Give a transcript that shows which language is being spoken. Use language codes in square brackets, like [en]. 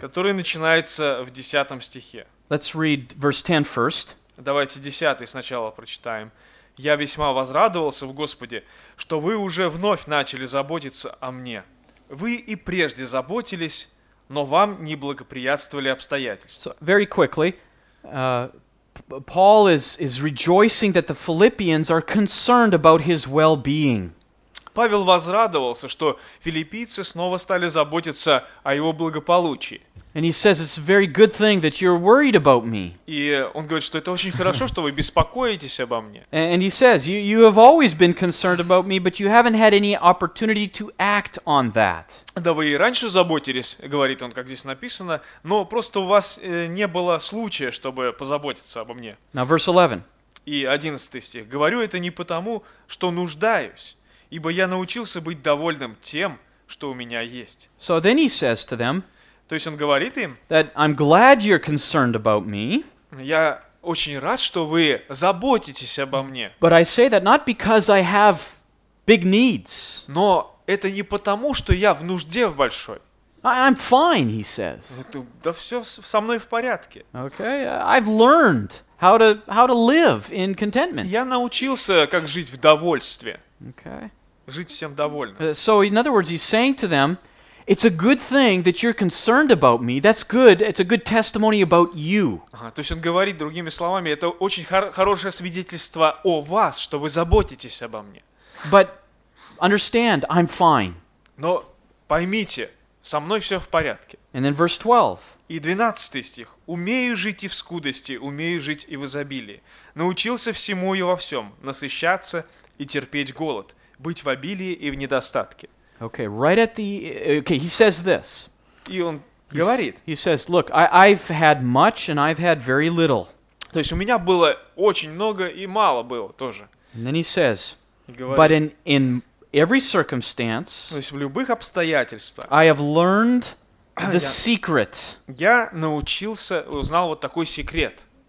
[ru] Которая начинается в 10 стихе. [en] Let's read verse 10 first. [ru] Давайте 10 сначала прочитаем. Я весьма возрадовался в Господе, что вы уже вновь начали заботиться о мне. Вы и прежде заботились, но вам не благоприятствовали обстоятельства. [en] So, very quickly, Paul is rejoicing that the Philippians are concerned about his well-being. [ru] Павел возрадовался, что филиппийцы снова стали заботиться о его благополучии. [en] And he says it's a very good thing that you're worried about me. [ru] И он говорит, что это очень хорошо, что вы беспокоитесь обо мне. [en] And he says you have always been concerned about me, but you haven't had any opportunity to act on that. [ru] Да вы и раньше заботились, говорит он, как здесь написано, но просто у вас не было случая, чтобы позаботиться обо мне. [en] Now verse 11. [ru] И 11 стих. Говорю это не потому, что нуждаюсь, ибо я научился быть довольным тем, что у меня есть. [en] So then he says to them, [ru] то есть он говорит им, [en] that I'm glad you're concerned about me. [ru] Я очень рад, что вы заботитесь обо мне. [en] But I say that not because I have big needs. [ru] Но это не потому, что я в нужде в большой. [en] I'm fine, he says. [ru] Да все со мной в порядке. [en] Okay, I've learned how to live in contentment. [ru] Я научился, как жить в довольстве. [en] Okay. [ru] Жить всем довольным. [en] So in other words, he's saying to them, it's a good thing that you're concerned about me. That's good. It's a good testimony about you. [ru] То есть он говорит другими словами, это очень хорошее свидетельство о вас, что вы заботитесь обо мне. [en] But understand, I'm fine. [ru] Но поймите, со мной все в порядке. [en] And then verse 12. [ru] И 12 стих. Умею жить и в скудости, умею жить и в изобилии. Научился всему и во всем, насыщаться и терпеть голод, быть в обилии и в недостатке. [en] Okay, right at the okay, he says this. [ru] И он говорит. [en] He says, "Look, I've had much and I've had very little." [ru] То есть у меня было очень много и мало было тоже. [en] And then he says, [ru] говорит, [en] "But in every circumstance, [ru] то есть в любых обстоятельствах, [en] I have learned the secret." [ru] Я научился, узнал вот такой секрет.